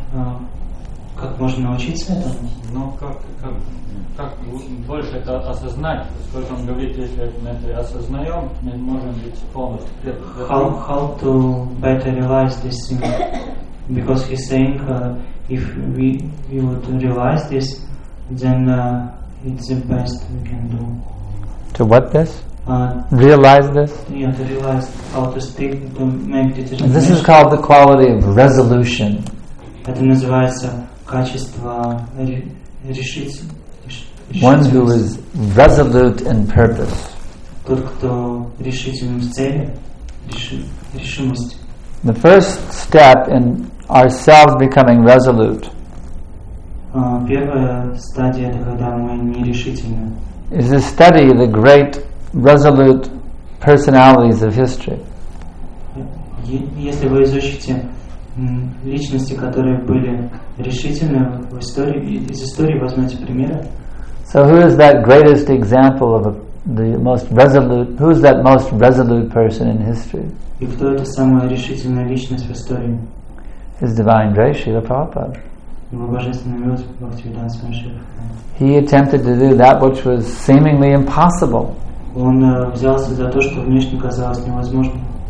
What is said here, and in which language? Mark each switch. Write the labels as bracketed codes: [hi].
[ru] And как можно научиться этому? Ну как больше это осознать, сколько он говорит, если мы это осознаем, мы можем быть полностью преданы. [en] How to better realize this thing? Because he's saying if we would realize this, then it's the best we can do. To what this? Realize this? Yeah, to realize how to stick to make determination. This is called the quality of resolution. [ru] Это называется качество решительности. [en] One who is resolute in purpose. [ru] Тот, кто решительный в цели, решимость. [en] The first step in ourselves becoming resolute. [ru] Первая стадия, когда мы нерешительны. [en] Is to study the great resolute personalities of history. [ru] Если вы изучите личности, которые были решительны в истории, из истории возьмете примеры. [en] So who is that greatest example of the most resolute? Who is that most resolute person in history? [ru] И кто это самая решительная личность в истории? [en] His divine grace, Srila Prabhupada. [ru] Его божественный милость Бхактивиданта Свами Шрила Прабхупада. [en] He attempted to do that which was seemingly impossible. [ru] Он взялся за то, что внешне казалось невозможным.